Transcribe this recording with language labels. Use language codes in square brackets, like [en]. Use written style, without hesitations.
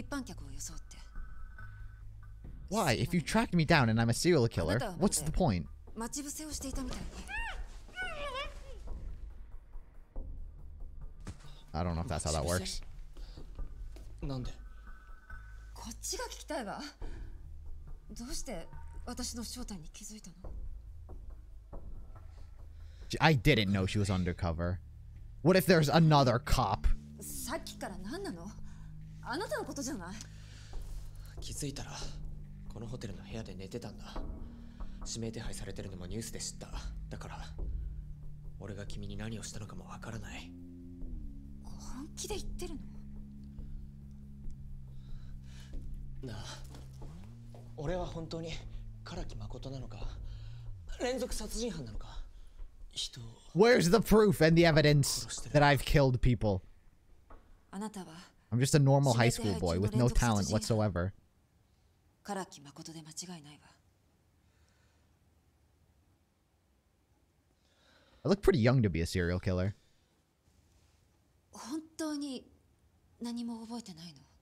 [ja] 決まってるでしょ。あなたを捕まえるためよ。指名手配中のあなたがこのホテルに潜伏してるって情報があって、私はそれを追ってきた。決まってみ、 [en] alone? [ja] 一般客を装って。 [en] Why? If you tracked me down and I'm a serial killer, what's the point? [ja] 待ち伏せをしていたみたいに。 [en] I don't know if that's how that works. [ja] なんで? こっちが聞きたいわ。どうして私の正体に気づいたの? [en] I didn't know she was undercover. What if there's another cop? [ja] さっきから何なの? あなたのことじゃない? 気づいたら、このホテルの部屋で寝てたんだ。指名手配されてるのもニュースで知った。だから俺が君に何をしたのかもわからない。本気で言ってるの？なあ、俺は本当に唐木誠なのか、連続殺人犯なのか。人を [en] Where's the proof and the evidence that I've killed people? [ja] あなたは [en] I'm just a normal high school boy with no talent whatsoever. [ja] 唐木誠で間違いないわ。 [en] I look pretty young to be a serial killer. [ja] 本当に何も覚えてないの？